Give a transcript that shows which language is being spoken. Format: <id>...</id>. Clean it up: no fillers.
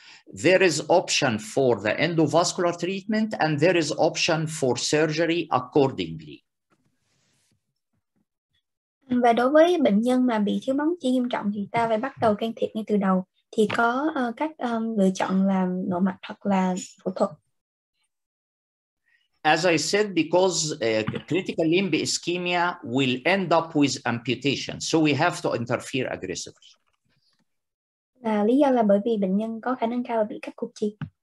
<en>There is option for the endovascular treatment and there is option for surgery accordingly.</en> <vi>Và đối với bệnh nhân mà bị thiếu máu chi nghiêm trọng thì ta phải bắt đầu can thiệp ngay từ đầu, thì có các lựa chọn là nội mạch hoặc là phẫu thuật.</vi> <en>As I said, because critical limb ischemia will end up with amputation, so we have to interfere aggressively.</en> <vi>Lý do là bởi vì bệnh nhân có khả năng cao bị cắt cụt chi.</vi>